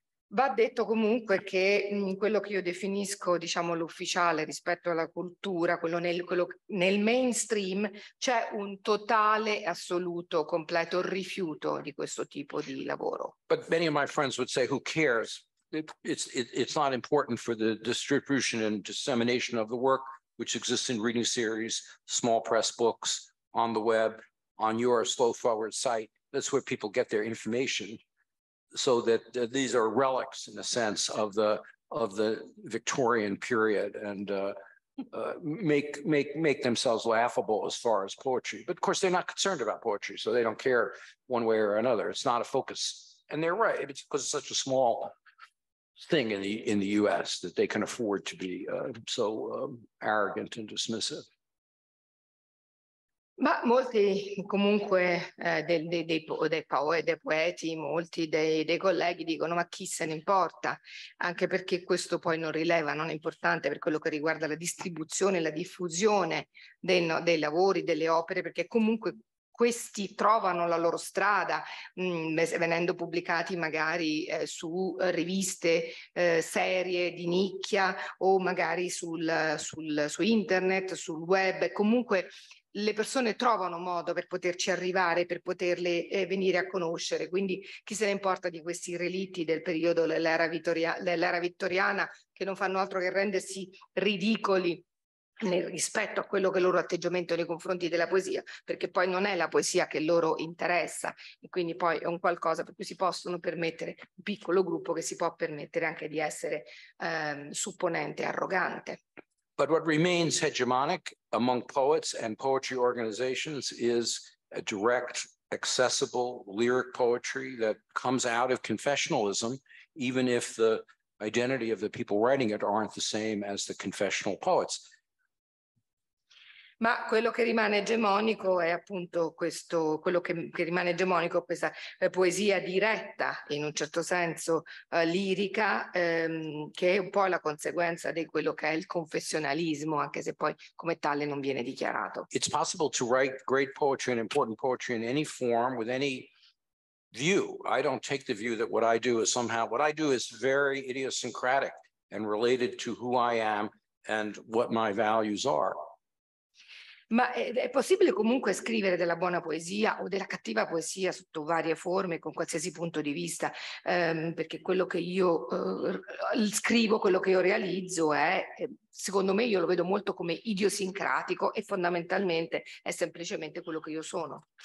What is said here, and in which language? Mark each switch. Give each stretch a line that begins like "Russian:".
Italian: Va detto comunque che quello che io definisco, diciamo, l'ufficiale rispetto alla cultura, quello nel mainstream, c'è un totale, assoluto, completo rifiuto di questo tipo di lavoro.
English: But many of my friends would say, who cares? It's not important for the distribution and dissemination of the work, which exists in reading series, small press books, on the web, on your slow forward site. That's where people get their information. So that these are relics, in a sense, of the Victorian period, and make themselves laughable as far as poetry. But of course, they're not concerned about poetry, so they don't care one way or another. It's not a focus, and they're right. It's because it's such a small thing in the US that they can afford to be so arrogant and dismissive.
Italian: Ma molti comunque dei poeti, molti dei colleghi dicono: ma chi se ne importa? Anche perché questo poi non rileva, non è importante per quello che riguarda la distribuzione, la diffusione dei lavori, delle opere, perché comunque questi trovano la loro strada venendo pubblicati magari su riviste, serie di nicchia, o magari su internet, sul web. Comunque le persone trovano modo per poterci arrivare, per poterle venire a conoscere. Quindi chi se ne importa di questi relitti del periodo dell'era vittoriana, che non fanno altro che rendersi ridicoli nel rispetto a quello che è il loro atteggiamento nei confronti della poesia, perché poi non è la poesia che loro interessa, e quindi poi è un qualcosa per cui si possono permettere, un piccolo gruppo che si può permettere anche di essere supponente, arrogante.
English: But what remains hegemonic among poets and poetry organizations is a direct, accessible lyric poetry that comes out of confessionalism, even if the identity of the people writing it aren't the same as the confessional poets.
Italian: Ma quello che rimane egemonico è appunto questo, quello che rimane egemonico è questa poesia diretta, in un certo senso lirica, che è un po' la conseguenza di quello che è il confessionalismo, anche se poi come tale non viene dichiarato.
English: It's possible to write great poetry and important poetry in any form, with any view. I don't take the view that what I do is somehow, what I do is very idiosyncratic and related to who I am and what my values are.
Italian: Ma è possibile comunque scrivere della buona poesia o della cattiva poesia sotto varie forme, con qualsiasi punto di vista, perché quello che io scrivo, quello che io realizzo è, secondo me, io lo vedo molto come idiosincratico, e fondamentalmente è semplicemente quello che io sono.